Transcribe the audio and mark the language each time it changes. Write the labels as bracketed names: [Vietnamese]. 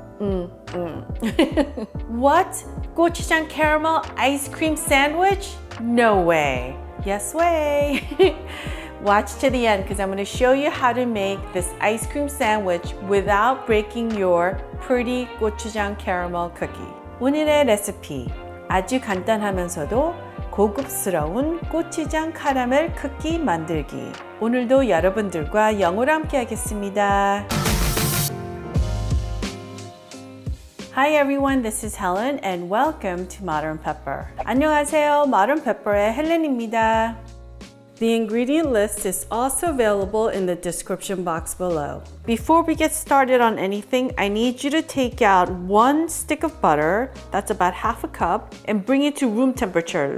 [English] What? Gochujang caramel ice cream sandwich? No way. Yes way. Watch to the end because I'm going to show you how to make this ice cream sandwich without breaking your pretty gochujang caramel cookie. [Korean] 오늘의 레시피, 아주 간단하면서도 고급스러운 고추장 카라멜 쿠키 만들기. 오늘도 여러분들과 영어로 함께 하겠습니다. [English] Hi everyone, this is Helen and welcome to Modern Pepper. [Korean] 안녕하세요, Modern Pepper의 헬렌입니다. [English] The ingredient list is also available in the description box below. Before we get started on anything, I need you to take out one stick of butter, that's about half a cup, and bring it to room temperature.